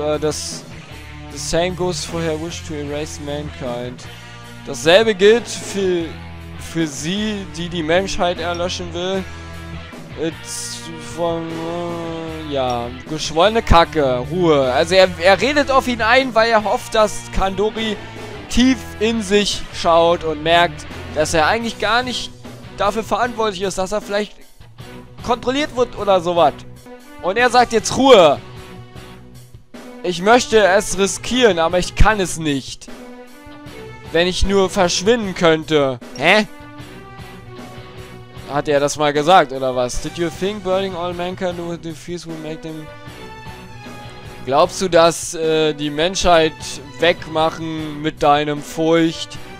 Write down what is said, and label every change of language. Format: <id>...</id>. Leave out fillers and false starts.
<en>The same goes for her wish to erase mankind.</en> <de>Dasselbe gilt für sie, die Menschheit erlöschen will. It's von. Ja. Geschwollene Kacke. Ruhe. Also er redet auf ihn ein, weil er hofft, dass Kandori tief in sich schaut und merkt, dass er eigentlich gar nicht dafür verantwortlich ist, dass er vielleicht kontrolliert wird oder sowas. Und er sagt jetzt Ruhe. Ich möchte es riskieren, aber ich kann es nicht. Wenn ich nur verschwinden könnte. Hä? Hat er das mal gesagt, oder was?</de> <en>Did you think burning all mankind with the fuse will make them...</en> <de>Glaubst du, dass die Menschheit wegmachen mit deinem Furcht?</de>